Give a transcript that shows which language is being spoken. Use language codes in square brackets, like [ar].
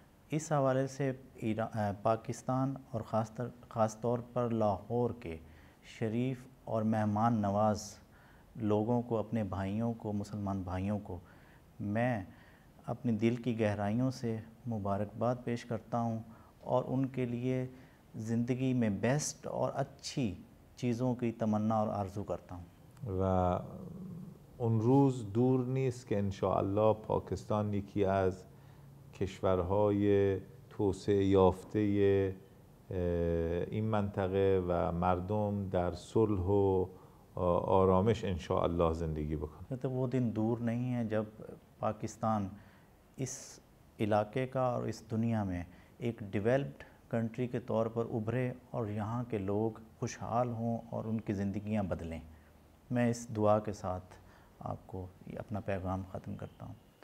[ur] اس حوالے سے پاکستان اور خاص طور پر لاہور کے شریف اور مہمان نواز لوگوں کو اپنے بھائیوں کو مسلمان بھائیوں کو میں اپنی دل کی گہرائیوں سے مبارکباد پیش کرتا ہوں اور ان کے لیے زندگی میں بیسٹ اور اچھی چیزوں کی تمنا اور آرزو کرتا ہوں. [fa] و ان روز دور نیست کہ انشاءاللہ پاکستان یکی از کشورهای توسعه یافته این منطقه و مردم در صلح و آرامش انشاءالله زندگی بکنه. [ur] تو وہ دن دور نہیں ہے جب پاکستان اس علاقے کا اور اس دنیا میں ایک ڈیولپڈ کنٹری کے طور پر ابھرے اور یہاں کے لوگ خوشحال ہوں اور ان کی زندگیاں بدلیں. میں اس دعا کے ساتھ آپ کو اپنا پیغام ختم کرتا ہوں.